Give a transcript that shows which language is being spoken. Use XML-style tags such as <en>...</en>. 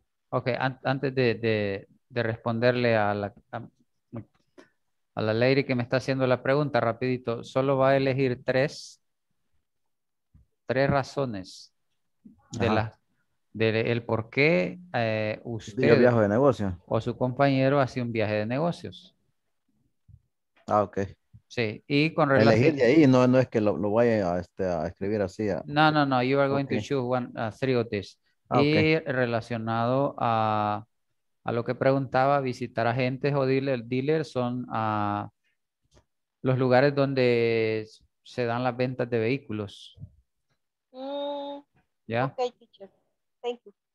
<es>Ok, antes de responderle a la lady que me está haciendo la pregunta, rapidito, solo va a elegir tres razones del por qué usted viaje de negocio o su compañero hace un viaje de negocios. Ah, ok. Sí, y con relación... Elegir de ahí, no es que lo vaya a escribir así.</es> <en>No, you are going to choose three of these.</en> <es>Okay. Y relacionado a lo que preguntaba, visitar agentes o dealer son los lugares donde se dan las ventas de vehículos. ¿Ya? Ok, teacher.</es> <en>Thank you.</en>